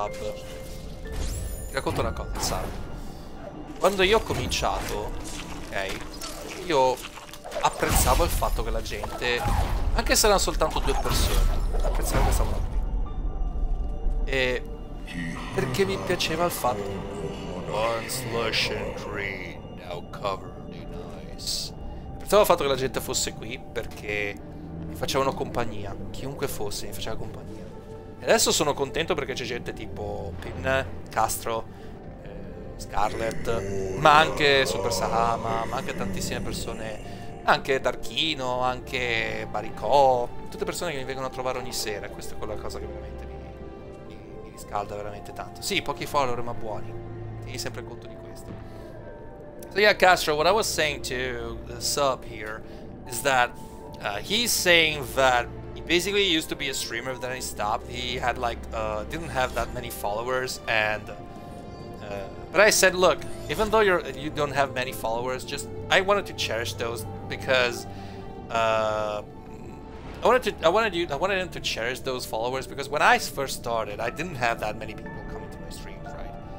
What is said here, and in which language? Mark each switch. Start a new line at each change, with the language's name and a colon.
Italian: Ti racconto una cosa, Sab. Quando io ho cominciato, ok, io apprezzavo il fatto che la gente, anche se erano soltanto due persone, apprezzavo che stavano qui. E perché mi piaceva il fatto.
English: One slush and green, now covered in ice.
Italian: Apprezzavo il fatto che la gente fosse qui perché mi facevano compagnia. Chiunque fosse mi faceva compagnia. E adesso sono contento perché c'è gente tipo Pin, Castro, Scarlet, ma anche Super Sahama, ma anche tantissime persone. Anche Darkino, anche Baricò. Tutte persone che mi vengono a trovare ogni sera. Questa è quella cosa che veramente mi riscalda veramente tanto. Sì, pochi follower ma buoni. Tieni sempre conto di questo.
English: So yeah, Castro, what I was saying to the sub here is that he's saying that he basically used to be a streamer, but then he stopped. He had like didn't have that many followers, and but I said, look, even though you don't have many followers, just I wanted to cherish those because I wanted him to cherish those followers because when I first started, I didn't have that many people coming to my streams, right?